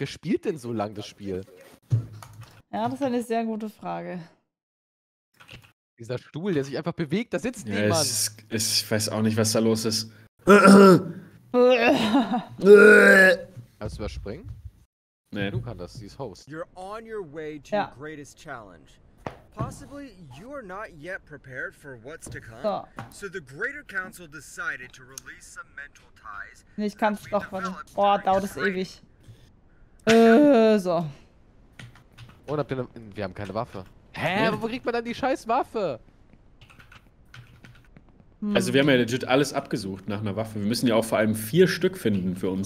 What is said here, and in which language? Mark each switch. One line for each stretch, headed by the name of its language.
German: Wer spielt denn so lang das Spiel? Ja, das ist eine sehr gute Frage. Dieser Stuhl, der sich einfach bewegt, da sitzt ja, niemand. Ich weiß auch nicht, was da los ist. Kannst du was springen? Nee. Du kannst das, sie ist Host.
English: You're on your way to your greatest challenge. Possibly you are not yet prepared for what's to come. So. So the Greater Council decided to release some mental ties.
German: Nee, ich kann's doch warten. Oh, dauert es ewig. So. Oh, wir haben keine Waffe. Hä? Nee. Wo kriegt man dann die scheiß Waffe? Also wir haben ja legit alles abgesucht nach einer Waffe. Wir müssen ja auch vor allem 4 Stück finden für uns.